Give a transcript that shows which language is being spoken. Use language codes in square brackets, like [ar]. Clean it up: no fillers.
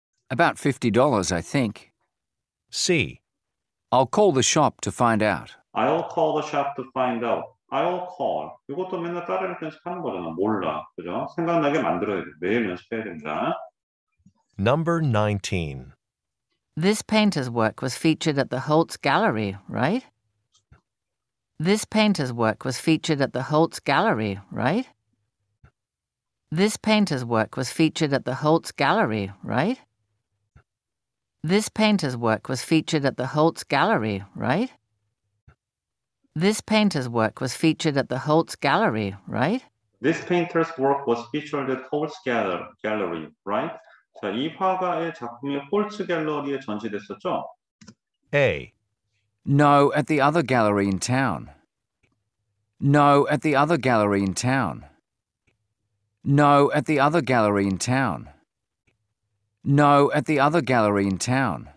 [en] About $50, I think. C. I'll call the shop to find out. I'll call the shop to find out. I'll call. [ko] 이것도 맨날 따라 연습하는 거잖아. 몰라. 그죠? 생각나게 만들어야 돼. 매일 연습해야 된다. [en] Number 19. This painter's work was featured at the Holtz Gallery, right? This painter's work was featured at the Holtz Gallery, right? This painter's work was featured at the Holtz Gallery, right? This painter's work was featured at the Holtz Gallery, right? This painter's work was featured at the Holtz Gallery, right? This painter's work was featured at Holtz Gallery, right? [ko] 자, 이 화가의 작품이 홀츠 갤러리에 전시됐었죠? [en] A. No, at the other gallery in town. No, at the other gallery in town. No, at the other gallery in town. No, at the other gallery in town.